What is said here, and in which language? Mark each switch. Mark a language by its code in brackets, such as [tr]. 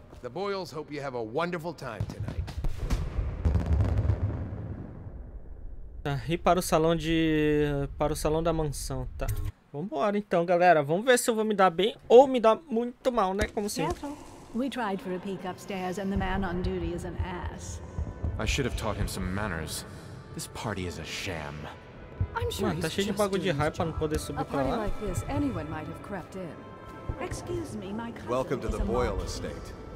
[en] The Boyles hope you have a wonderful time tonight. [pt] Tá, e para o salão da mansão, tá. Vambora então, galera. Vamos ver se eu vou me dar bem ou me dar muito mal, né? Como assim? [en] We tried for a peek upstairs and the man on duty is an ass. I should have taught him some manners. This party is a sham. I'm sure he's [pt] tá cheio de bagulho de raio para não poder subir para lá. [en] Like this, anyone might have crept in. Excuse me, my cousin. Welcome to is the Boyle estate.